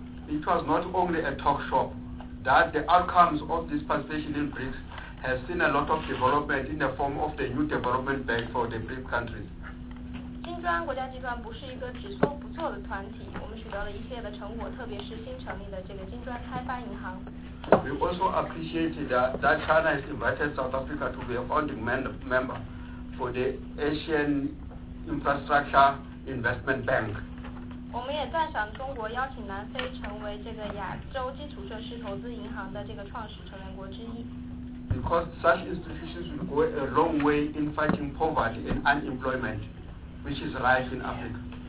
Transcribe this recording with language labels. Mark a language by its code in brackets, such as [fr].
[en] It was not only a talk shop that the outcomes of this participation in BRICS has seen a lot of development in the form of the new development bank for the BRICS countries. [zh] 金砖国家集团不是一个只做不做的团体，我们取得了一切的成果，特别是新成立的这个金砖开发银行。 [en] We also appreciate that China has invited South Africa to be a founding member for the Asian Infrastructure Investment Bank. [zh] 我们也赞赏中国邀请南非成为这个亚洲基础设施投资银行的这个创始成员国之一。 [en] Because such institutions will go a long way in fighting poverty and unemployment, which is rife in Africa.